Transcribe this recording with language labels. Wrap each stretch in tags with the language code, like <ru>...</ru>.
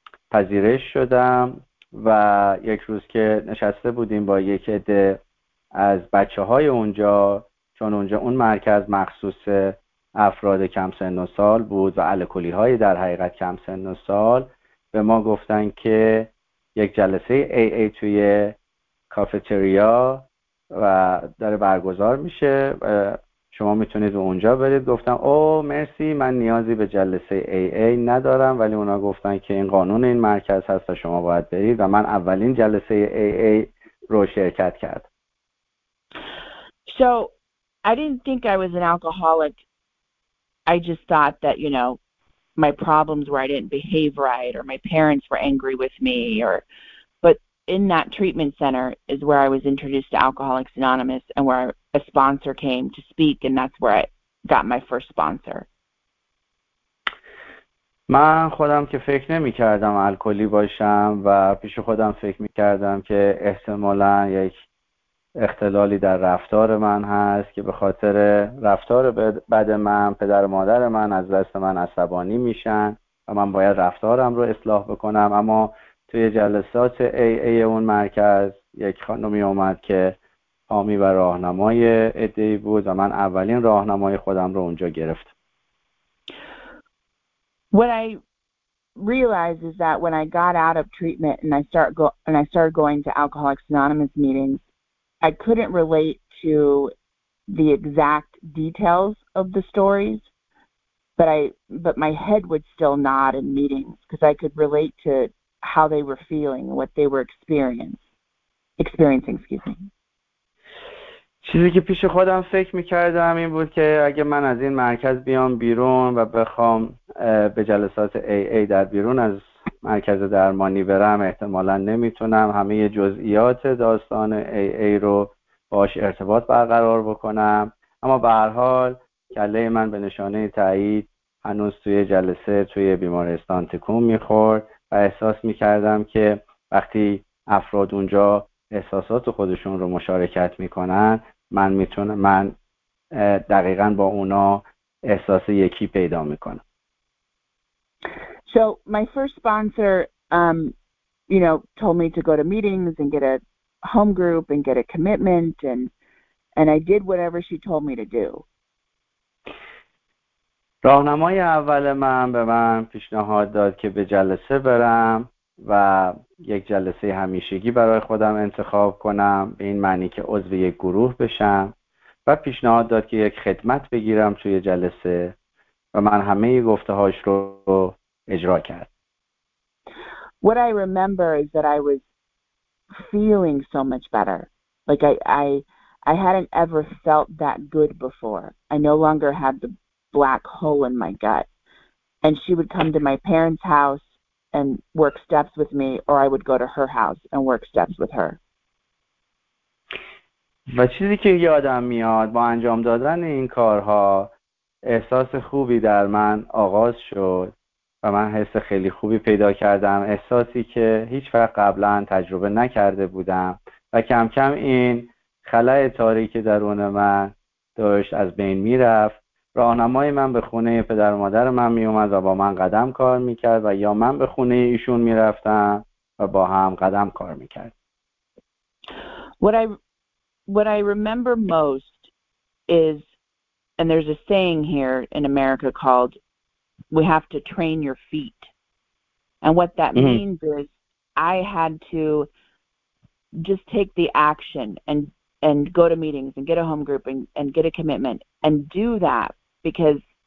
<fa>پذیرش شدم و یک روز که نشسته بودیم با یک عده از بچه های اونجا، چون اونجا اون مرکز مخصوص افراد کم سن و سال بود و الکلی های در حقیقت کم سن و سال، به ما گفتن که یک جلسه AA توی کافتریا و داره برگزار میشه و شما میتونید اونجا برید. گفتم او مرسی، من نیازی به جلسه AA ندارم، ولی اونا گفتن که این قانون این مرکز هست و شما باید برید و من اولین جلسه AA رو شرکت کردم.</fa> <en>So I didn't think I was an alcoholic. I just thought that, you know, my problems were I didn't behave right or my parents were angry with me or In that treatment center is where I was introduced to Alcoholics Anonymous and where a sponsor came to speak, and that's where I got my first sponsor.</en> <fa>من خودم که فکر نمی‌کردم الکلی باشم و پیش خودم فکر می‌کردم که احتمالاً یک اختلالی در رفتار من هست که به خاطر رفتار بد من پدر و مادر من از دست من عصبانی میشن و من باید رفتارم رو اصلاح بکنم. اما توی جلسات AA اون مرکز یک خانمی اومد که حامی و راهنمای عده‌ای بود و من اولین راهنمای خودم رو اونجا گرفتم.</fa> <en>What I realized is that when I got out of treatment and I started going to Alcoholics Anonymous meetings, I couldn't relate to the exact details of the stories, but my head would still nod in meetings because I could relate to how they were feeling, what they were experiencing, excuse me.</en> <fa>چیزی که پیش خودم فکر می‌کردم این بود که اگه من از این مرکز بیام بیرون و بخوام به جلسات AA در بیرون از مرکز درمانی برم، احتمالاً نمیتونم همه جزئیات داستان AA رو باش ارتباط برقرار بکنم، اما به هر حال کله من به نشانه تایید هنوز توی جلسه توی بیمارستان تکون می‌خورد و احساس می‌کردم که وقتی افراد اونجا احساسات خودشون رو مشارکت می‌کنن، من دقیقاً با اونا احساس یکی پیدا می‌کنم.</fa> <en>So my first sponsor, you know, told me to go to meetings and get a home group and get a commitment, and I did whatever she told me to do.</en> <fa>راهنمای اول من به من پیشنهاد داد که به جلسه برم و یک جلسه همیشگی برای خودم انتخاب کنم، به این معنی که عضو یک گروه بشم، و پیشنهاد داد که یک خدمت بگیرم توی جلسه، و من همه گفته هاش رو اجرا کرد.</fa> <en>What I remember is that I was feeling so much better. Like I hadn't ever felt that good before. I no longer had the black hole in my gut. And she would come to my parents' house and work steps with me, or I would go to her house and work steps with her.</en> <fa>و چیزی که یادم میاد با انجام دادن این کارها احساس خوبی در من آغاز شد و من حس خیلی خوبی پیدا کردم، احساسی که هیچ وقت قبلا تجربه نکرده بودم و کم کم این خلأ تاریک درون من داشت از بین میرفت. راهنمای من به خونه پدر و مادر من میومد و با من قدم کار میکرد، و یا من به خونه ایشون میرفتم و با هم قدم کار میکرد.</fa> <en>What I remember most is, and there's a saying here in America called, we have to train your feet. And what that means is I had to just take the action and go to meetings and get a home group and get a commitment and do that because...</en>